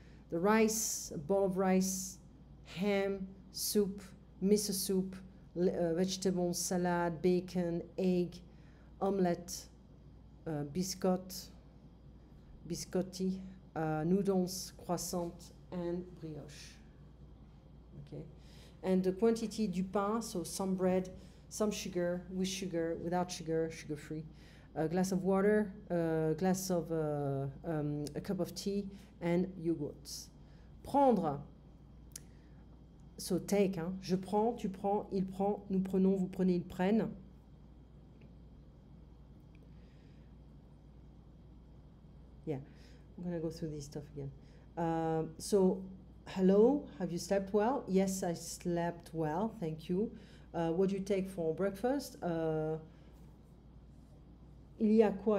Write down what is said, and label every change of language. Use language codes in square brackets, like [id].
[en] The rice, a bowl of rice, ham, soup, miso soup, vegetables, salad, bacon, egg, omelette, biscotti, noodles, croissant, and brioche. Okay. And the quantity [fr] du pain, [en] so some bread, some sugar, with sugar, without sugar, sugar-free, a glass of water, a glass of a cup of tea, and yogurts. [fr] Prendre. [en] So take. Hein. [fr] Je prends, tu prends, il prend, nous prenons, vous prenez, ils prennent. [en] Yeah, I'm gonna go through this stuff again. So, hello, have you slept well? Yes, I slept well, thank you. What do you take for breakfast? [fr] Il y a quoi?